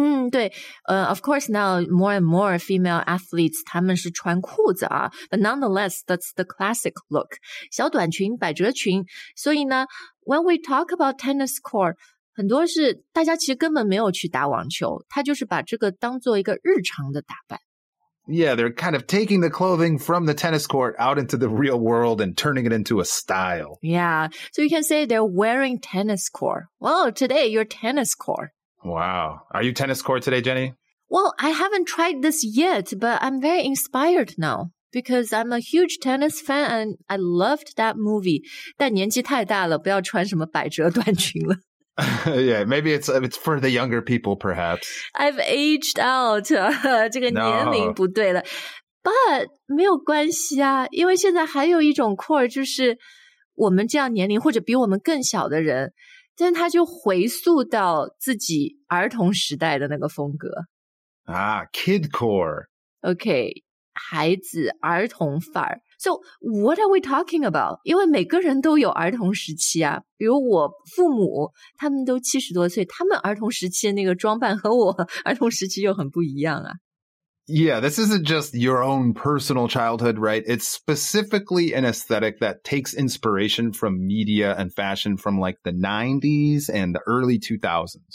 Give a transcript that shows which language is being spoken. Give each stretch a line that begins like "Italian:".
Chinese: 对。
English: Of course, now more and more female athletes,
Chinese: 他们是穿裤子啊。
English: But nonetheless, that's the classic look.
Chinese: 小短裙、百褶裙。所以呢
English: when we talk about tennis court,
Chinese: 很多是大家其实根本没有去打网球。他就是把这个当做一个日常的打扮。
English: Yeah, they're kind of taking the clothing from the tennis court out into the real world and turning it into a style. Yeah, so you can say they're wearing tennis court. Well, today you're tennis court. Wow. Are you tennis court today, Jenny? Well, I haven't tried this yet, but I'm very inspired now because I'm a huge tennis fan and I loved that movie.
Chinese: 但年纪太大了，不要穿什么百褶短裙了。
English: Yeah, maybe it's for the younger people, perhaps. I've aged out.
Chinese: 这个年龄不对了。 But 没有关系啊，因为现在还有一种 core, 就是我们这样年龄或者比我们更小的人，但他就回溯到自己儿童时代的那个风格。
English: Ah, kid core. Okay,
Chinese: 孩子儿童范儿。
English: So what are we talking about?
Chinese: 因为每个人都有儿童时期啊，比如我父母他们都70多岁，他们儿童时期的那个装扮和我儿童时期又很不一样啊。
English: Yeah, this isn't just your own personal childhood, right? It's specifically an aesthetic that takes inspiration from media and fashion from like the 90s and the early 2000s.